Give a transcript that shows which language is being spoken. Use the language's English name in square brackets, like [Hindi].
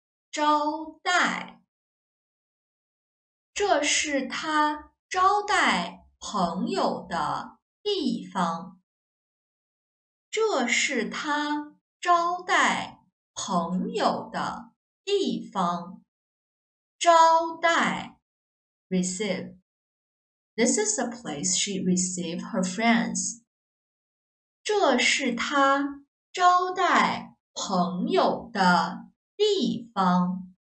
[Chinese] 招待，这是她招待朋友的地方，这是她招待朋友的地方，招待 [English] receive. This is the place she received her friends. [Chinese] 这是她招待朋友的地方，